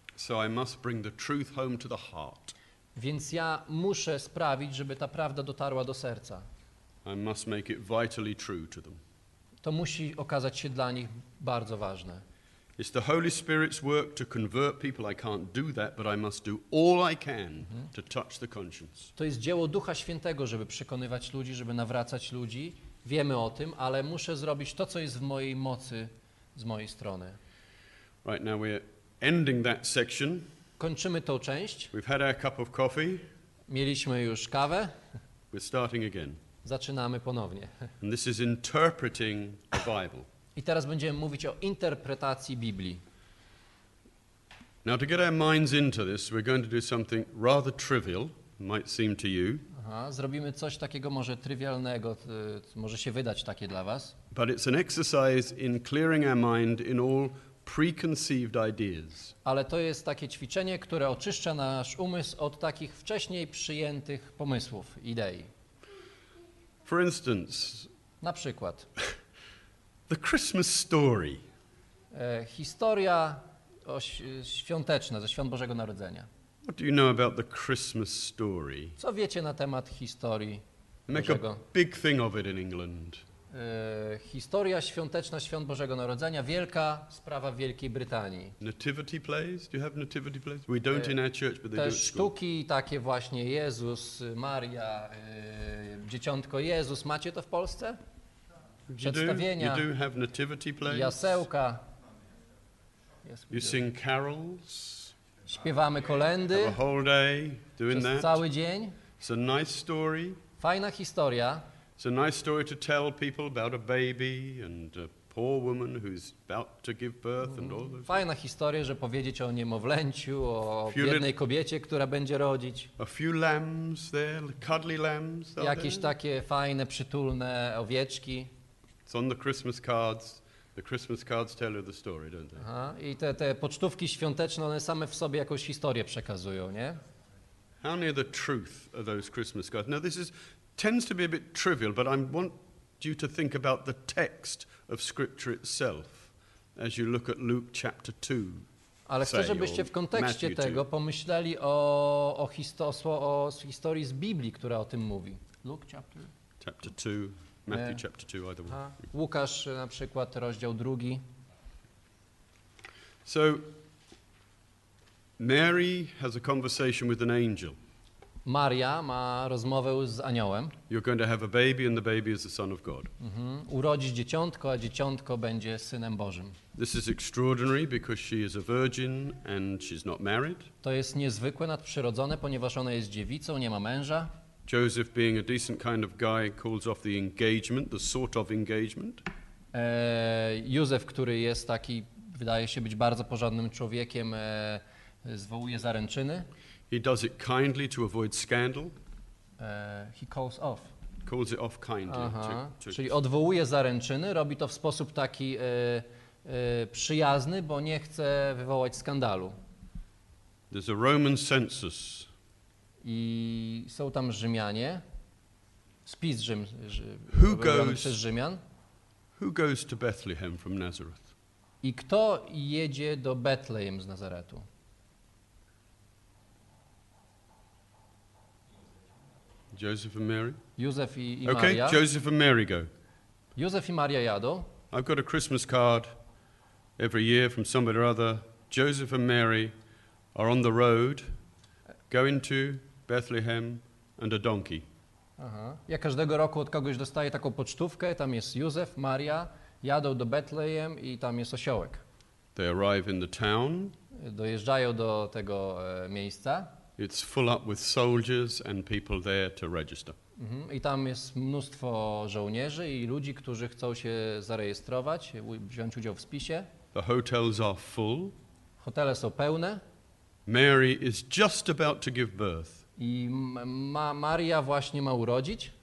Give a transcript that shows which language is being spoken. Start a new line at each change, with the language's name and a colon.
English: So I must bring the truth home to the heart.
Polish: Więc ja muszę sprawić, żeby ta prawda dotarła do serca.
English: I must make it vitally true to them.
Polish: To musi okazać się dla nich bardzo ważne.
English: It's the Holy Spirit's work to convert people. I can't do that, but I must do all I can to touch the conscience.
Polish: To jest dzieło Ducha Świętego, żeby przekonywać ludzi, żeby nawracać ludzi. Wiemy o tym, ale muszę zrobić to, co jest w mojej mocy, z mojej strony.
English: Right, now we're ending that section.
Polish: Kończymy tą część.
English: We've had our cup of coffee.
Polish: Mieliśmy już kawę.
English: We're starting again.
Polish: Zaczynamy ponownie.
English: And this is interpreting the Bible.
Polish: I teraz będziemy mówić o interpretacji Biblii.
English: Now to get our minds into this, we're going to do something rather trivial, might seem to you.
Polish: Aha, zrobimy coś takiego może trywialnego, może się wydać takie dla was.
English: But it's an exercise in clearing our mind in all preconceived ideas.
Polish: Ale to jest takie ćwiczenie, które oczyszcza nasz umysł od takich wcześniej przyjętych pomysłów, idei.
English: For instance.
Polish: Na przykład.
English: The Christmas story.
Polish: Historia świąteczna ze świąt Bożego Narodzenia.
English: What do you know about the Christmas story?
Polish: Co wiecie na temat historii Bożego?
English: Make a big thing of it in England.
Polish: Historia świąteczna świąt Bożego Narodzenia, wielka sprawa w Wielkiej Brytanii.
English: Nativity plays? Do you have nativity plays? We don't in our church, but they do.
Polish: Te sztuki takie właśnie Jezus, Maria, dzieciątko Jezus, macie to w Polsce? Przedstawienia.
English: You do have nativity plays?
Polish: Jasełka.
English: You sing carols?
Polish: Śpiewamy kolędy.
English: Have a whole day doing
Polish: przez
English: that.
Polish: Cały dzień.
English: It's a nice story.
Polish: Fajna historia.
English: It's a nice story to tell people about a baby and a poor woman who's about to give birth and all those.
Polish: Fajna historia, że powiedzieć o niemowlęciu, o biednej kobiecie, która będzie rodzić.
English: A few lambs there, cuddly lambs.
Polish: Jakieś takie fajne, przytulne owieczki.
English: It's on the Christmas cards. The Christmas cards tell you the story, don't they? Aha.
Polish: I te pocztówki świąteczne, one same w sobie jakąś historię przekazują, nie?
English: How near the truth are those Christmas cards? Now this tends to be a bit trivial, but I want you to think about the text of Scripture itself as you look at Luke chapter 2.
Polish: Ale chcę, żebyście w kontekście tego pomyśleli o historii z Biblii, która o tym mówi.
English: Luke chapter 2. Chapter 2. Matthew chapter 2, either one.
Polish: Łukasz na przykład, rozdział drugi.
English: So, Mary has a conversation with an angel.
Polish: Maria ma rozmowę z aniołem.
English: You're going to have a baby and the baby is the Son of God. Mm-hmm.
Polish: Urodzi dzieciątko, a dzieciątko będzie Synem Bożym.
English: This is extraordinary because she is a virgin and she's not married.
Polish: To jest niezwykłe, nadprzyrodzone, ponieważ ona jest dziewicą, nie ma męża.
English: Joseph, being a decent kind of guy, calls off the engagement, the sort of engagement. Józef, który jest taki, wydaje się być bardzo porządnym człowiekiem, zwołuje zaręczyny. He does it kindly to avoid scandal. He calls off. calls it off kindly. Aha.
Polish: Czyli odwołuje zaręczyny, robi to w sposób taki przyjazny, bo nie chce wywołać skandalu.
English: There's a Roman census.
Polish: I są tam Rzymianie. Spis Rzym,
English: who goes,
Polish: przez Rzymian.
English: Who goes to Bethlehem from Nazareth?
Polish: I kto jedzie do Betlejem z Nazaretu?
English: Joseph and Mary?
Polish: Józef i Maria.
English: Okay, Joseph and Mary go.
Polish: Józef i Maria jadą.
English: I've got a Christmas card every year from somebody or other. Joseph and Mary are on the road going to Bethlehem and a donkey. Aha.
Polish: Ja każdego roku od kogoś dostaję taką pocztówkę. Tam jest Józef, Maria, jadą do Betlejem i tam jest osiołek.
English: They arrive in the town.
Polish: Dojeżdżają do tego miejsca.
English: It's full up with soldiers and people there to register. Mhm.
Polish: I tam jest mnóstwo żołnierzy i ludzi, którzy chcą się zarejestrować, wziąć udział w spisie.
English: The hotels are full.
Polish: Hotele są pełne.
English: Mary is just about to give birth.
Polish: I Maria właśnie ma urodzić.